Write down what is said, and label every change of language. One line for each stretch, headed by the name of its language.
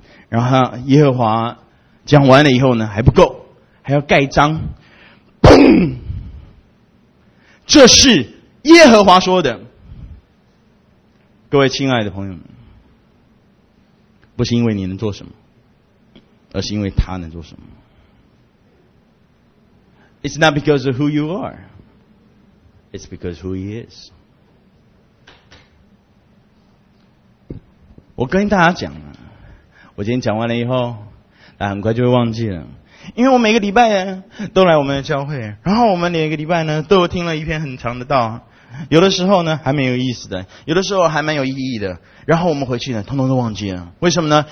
Chinese: 然后耶和华讲完了以后呢，还不够，还要盖章。砰！这是耶和华说的。各位亲爱的朋友们，不是因为你能做什么，而是因为他能做什么。
English: It's not because of who you are, it's because who he is.
Chinese: 我跟大家讲，我今天讲完了以后，大家很快就会忘记了，因为我每个礼拜都来我们的教会，然后我们每个礼拜呢都有听了一篇很长的道，有的时候呢还蛮有意思的，有的时候还蛮有意义的，然后我们回去呢通通都忘记了。为什么呢？